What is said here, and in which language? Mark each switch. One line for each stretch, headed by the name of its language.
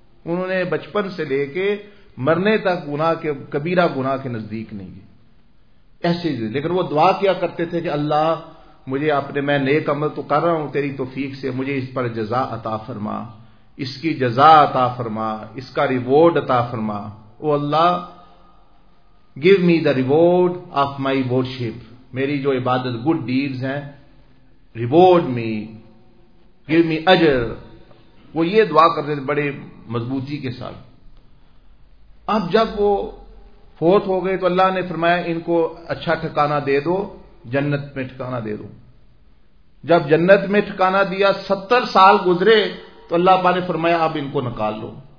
Urdu: انہوں نے بچپن سے لے کے مرنے تک گناہ کے، کبیرہ گناہ کے نزدیک نہیں گئے، ایسے ہی. لیکن وہ دعا کیا کرتے تھے کہ اللہ مجھے اپنے، میں نیک عمل تو کر رہا ہوں تیری توفیق سے، مجھے اس پر جزا عطا فرما، اس کی جزا عطا فرما، اس کا ریوارڈ عطا فرما.
English: oh Allah give me the reward of my worship,
Urdu: میری جو عبادت
English: Good deeds ہیں، reward me, give me اجر.
Urdu: وہ یہ دعا کرتے تھے بڑے مضبوطی کے ساتھ. اب جب وہ فوت ہو گئے تو اللہ نے فرمایا ان کو اچھا ٹھکانہ دے دو، جنت میں ٹھکانا دے دو. جب جنت میں ٹھکانا دیا، 70 سال گزرے تو اللہ پاک نے فرمایا اب ان کو نکال لو.